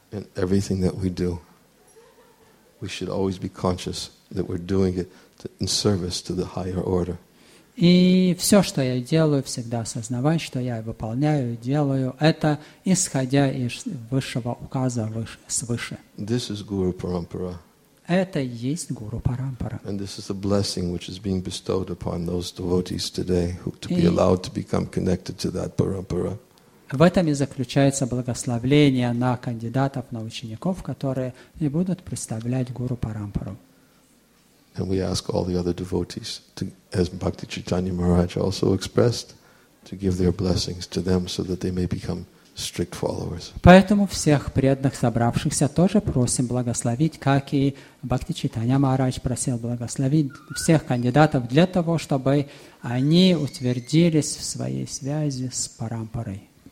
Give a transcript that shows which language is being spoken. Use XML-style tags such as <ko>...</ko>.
<en>In everything that we do, we should always be conscious that we're doing it in service to the higher order.</en> <ru>И все, что я делаю, всегда осознавать, что я выполняю, делаю, это исходя из высшего указа свыше.</ru> <en>This is Guru Parampara.</en> <ru>Это и есть Гуру Парампара.</ru> <en>And this is the blessing which is being bestowed upon those devotees today who to be allowed to become connected to that Parampara.</en> <ru>В этом и заключается благословение на кандидатов, на учеников, которые и будут представлять Гуру Парампару.</ru> <en>And we ask all the other devotees, to, as Bhakti Chaitanya Maharaj also expressed, to give their blessings to them so that they may become strict followers.</en> <ru>Поэтому всех преданных, собравшихся, тоже просим благословить, как и Бхакти Чайтанья Махарадж просил благословить всех кандидатов для того, чтобы они утвердились в своей связи с парампарой.</ru>